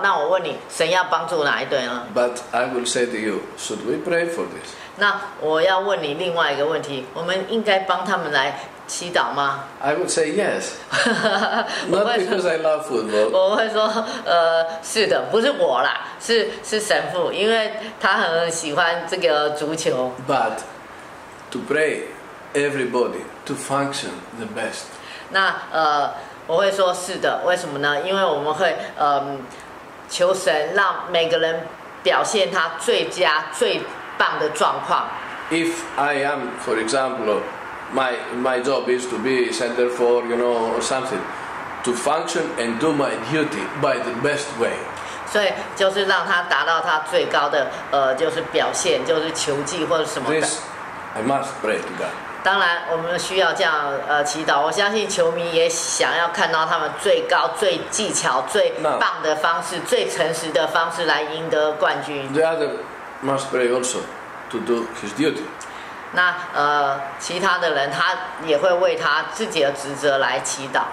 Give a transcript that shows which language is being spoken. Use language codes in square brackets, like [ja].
[zh] 那我问你，神要帮助哪一队呢 [en] ？But I will say to you, should we pray for this? [zh] 那我要问你另外一个问题：我们应该帮他们来祈祷吗 [en] ？I would say yes. Not because I love football. [zh] 我会说，是的，不是我啦。是神父，因为他很喜欢这个足球。 [en] But to pray everybody to function the best. [zh] 那我会说是的，为什么呢？因为我们会求神让每个人表现他最佳最棒的状况。 [en] If I am, for example, my job is to be center for, you know, something, to function and do my duty by the best way. [zh] 所以就是让他达到他最高的就是表现，就是球技或者什么的。 [en] This, I must pray to God. [zh] 当然，我们需要这样祈祷。我相信球迷也想要看到他们最高、最技巧、最棒的方式、 [en] Now, [zh] 最诚实的方式来赢得冠军。 [en] The other must pray also to do his duty. [zh] 那其他的人他也会为他自己的职责来祈祷。